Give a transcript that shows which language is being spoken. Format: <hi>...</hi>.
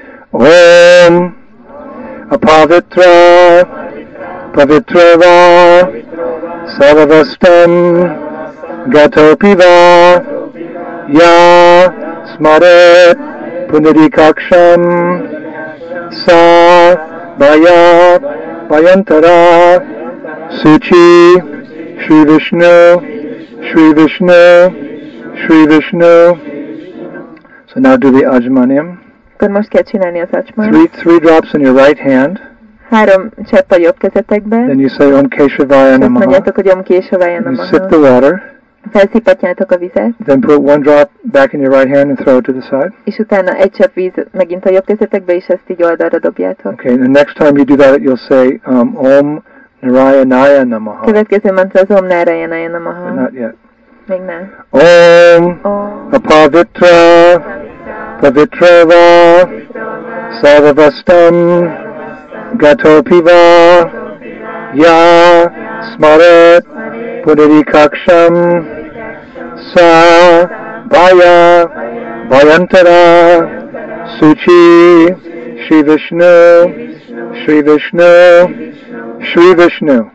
<sa>Om. Apavitra, pavitrava, sarvastam, gatopiva, ya, smaret, punarikaksham, sa, baya, bayantara, suchi, shri vishnu, shri vishnu, shri vishnu.</sa> <en>So now do the ajmanyam.</en> <hu>Akkor most kell csinálni az acsmát.</hu> <en>3 drops in your right hand.</en> <hu>3 csepp a jobb kezetekbe.</hu> <en>Then you say</en> <sa>Om Keshavaya Namaha.</sa> <hu>Mondjátok, hogy</hu> <sa>Om Keshavaya Namaha.</sa> <en>You sip the water.</en> <hu>Felszippantjátok a vizet.</hu> <en>Then put 1 drop back in your right hand and throw it to the side.</en> <hu>És utána egy csepp víz megint a jobb kezetekbe, és ezt így oldalra dobjátok.</hu> <en>Okay, and the next time you do that, you'll say</en> <sa>Om Narayanaya Namaha.</sa> <hu>Következő mantra az</hu> <sa>Om Narayanaya Namaha.</sa> <en>But not yet.</en> <hu>Még nem.</hu> <sa>Om Apavitra. Pavitrava, sarvastam, gatopiva, ya, smaret, punarikaksham, sa, baya, bayantara, suchi, shri vishnu, shri vishnu, shri vishnu.</sa>